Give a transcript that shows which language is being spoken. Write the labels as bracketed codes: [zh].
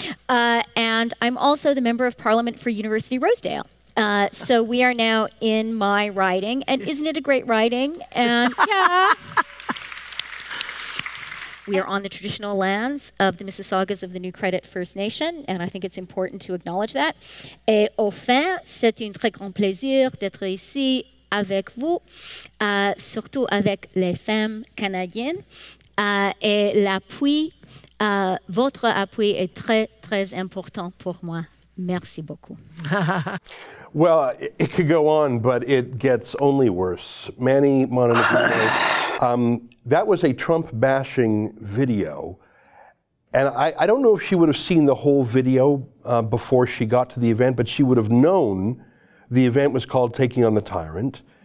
[en] And I'm also the Member of Parliament for University Rosedale. So we are now in my riding. And isn't it a great riding? And yeah. We are on the traditional lands of the Mississaugas of the New Credit First Nation, and I think it's important to acknowledge that. [fr] Et au fin, c'est un très grand plaisir d'être ici avec vous, surtout avec les femmes canadiennes. Et l'appui, votre appui est très, très important pour moi. Merci beaucoup. [en] Well, it could go on, but it gets only worse. Manny Montenegro, that was a Trump bashing video. And I don't know if she would have seen the whole video before she got to the event, but she would have known the event was called Taking on the Tyrant.